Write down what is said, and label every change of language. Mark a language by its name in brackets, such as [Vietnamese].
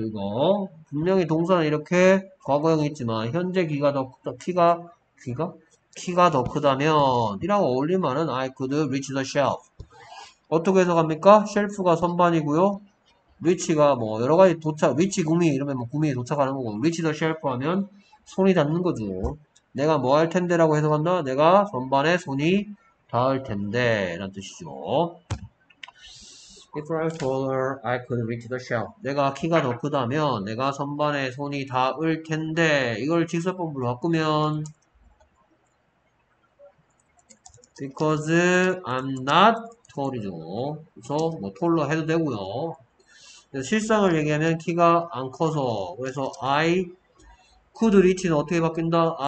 [Korean] 이거 분명히 동사는 이렇게 과거형 있지만 현재 키가 더 크다 키가 더 크다면 이라고 어울릴 만한 [English] I could reach the shelf. [Korean] 어떻게 해석합니까? 셸프가 선반이고요. 리치가 뭐 여러 가지 도착, 리치 구미 이러면 뭐 구미에 도착하는 거고, 리치 더 셸프 하면 손이 닿는 거죠. 내가 뭐할 텐데라고 해석한다. 내가 선반에 손이 닿을 텐데라는 뜻이죠. [English] If I was taller, I could reach the shelf. [Korean] 내가 키가 더 크다면 내가 선반에 손이 닿을 텐데. 이걸 직설법으로 바꾸면 [English] because I'm not [Korean] 톨이죠. 그래서 뭐 톨로 해도 되고요. 실상을 얘기하면 키가 안 커서 그래서 [English] I could reach [Korean] 는 어떻게 바뀐다?